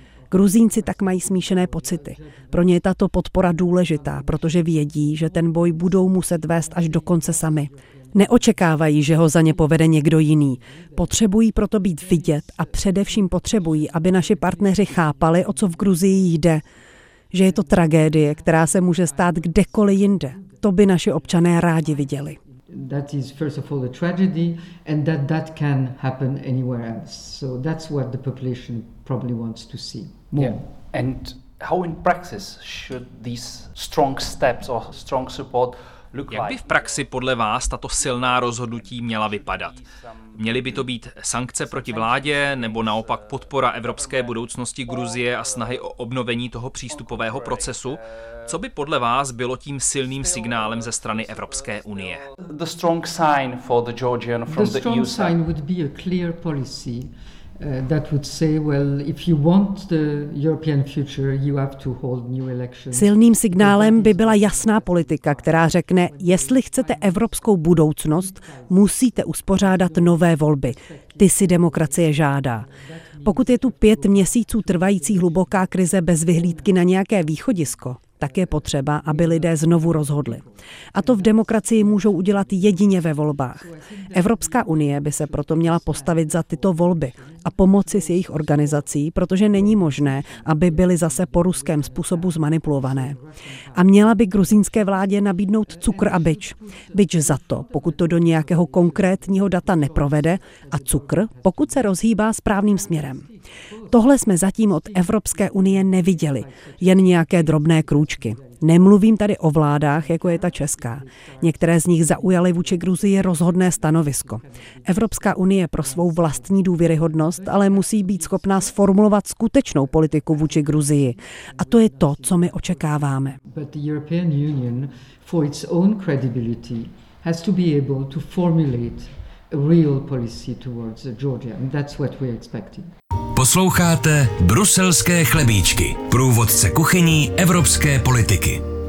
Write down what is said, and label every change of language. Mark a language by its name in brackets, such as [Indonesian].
[Czech] Gruzínci tak mají smíšené pocity. Pro ně je tato podpora důležitá, protože vědí, že ten boj budou muset vést až do konce sami. Neočekávají, že ho za ně povede někdo jiný. Potřebují proto být vidět a především potřebují, aby naši partneři chápali, o co v Gruzii jde. Že je to tragédie, která se může stát kdekoliv jinde. To by naši občané rádi viděli. [English] That is first of all a tragedy and that can happen anywhere else. So that's what the population probably wants to see. More. Yeah. And how in practice should these strong steps or strong support look like? [Czech] Jak by v praxi podle vás tato silná rozhodnutí měla vypadat? Měly by to být sankce proti vládě, nebo naopak podpora evropské budoucnosti Gruzie a snahy o obnovení toho přístupového procesu? Co by podle vás bylo tím silným signálem ze strany Evropské unie? [English] The strong sign for the Georgian from the EU. The strong sign would be a clear policy that would say, well, if you want the European future, you have to hold new elections. [Czech] Silným signálem by byla jasná politika, která řekne, jestli chcete evropskou budoucnost, musíte uspořádat nové volby. Ty si demokracie žádá. Pokud je tu 5 měsíců trvající hluboká krize bez vyhlídky na nějaké východisko, tak je potřeba, aby lidé znovu rozhodli. A to v demokracii můžou udělat jedině ve volbách. Evropská unie by se proto měla postavit za tyto volby a pomoci s jejich organizací, protože není možné, aby byly zase po ruském způsobu zmanipulované. A měla by gruzínské vládě nabídnout cukr a bič. Bič za to, pokud to do nějakého konkrétního data neprovede, a cukr, pokud se rozhýbá správným směrem. Tohle jsme zatím od Evropské unie neviděli, jen nějaké drobné krůčky. Nemluvím tady o vládách, jako je ta česká. Některé z nich zaujaly vůči Gruzii rozhodné stanovisko. Evropská unie pro svou vlastní důvěryhodnost ale musí být schopná sformulovat skutečnou politiku vůči Gruzii. A to je to, co my očekáváme. [English] But the European Union for its own credibility has to be able to formulate a real policy towards Georgia. And that's what we're expecting. [Czech] Posloucháte Bruselské chlebíčky, průvodce kuchyní evropské politiky.